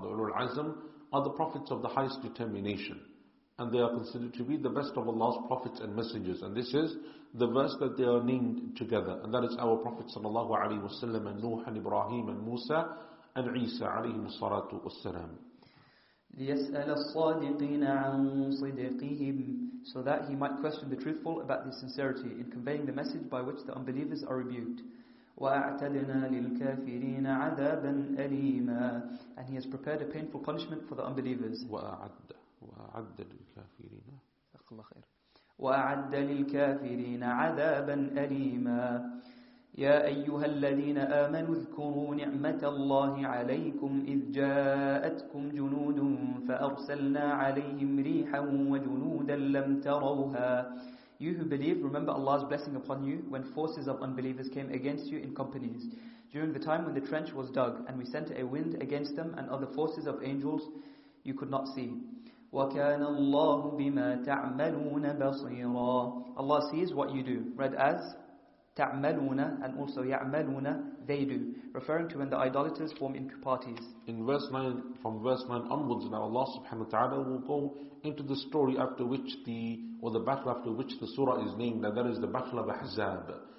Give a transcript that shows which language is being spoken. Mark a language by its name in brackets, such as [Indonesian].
[English] The Ulul Azm are the prophets of the highest determination, and they are considered to be the best of Allah's prophets and messengers. And this is the verse that they are named together, and that is our Prophet sallallahu alayhi wa sallam, and Nuh and Ibrahim and Musa and Isa alayhi salatu wassalam. [Arabic] ليسأل الصادقين عن صدقهم, [English] so that he might question the truthful about their sincerity in conveying the message by which the unbelievers are rebuked. [Arabic] وأعتدنا للكافرين عذابا أليما, [English] and he has prepared a painful punishment for the unbelievers. [Arabic] وأعد للكافرين, جزاك الله خير. وأعد للكافرين عذابا أليما. يا أيها الذين آمنوا اذكروا نعمة الله عليكم إذ جاءتكم جنود فأرسلنا عليهم ريحا وجنودا لم تروها. [English] You who believe, remember Allah's blessing upon you when forces of unbelievers came against you in companies during the time when the trench was dug, and we sent a wind against them and other forces of angels you could not see. [Arabic] وكان الله بما تعملون بصيرا. [English] Allah sees what you do, read as تعملون, and also يعملون, they do, referring to when the idolaters form into parties. In verse 9, from verse 9 onwards, now Allah subhanahu wa ta'ala will go into the story after which the battle after which the surah is named, and that is the Battle of Ahzab.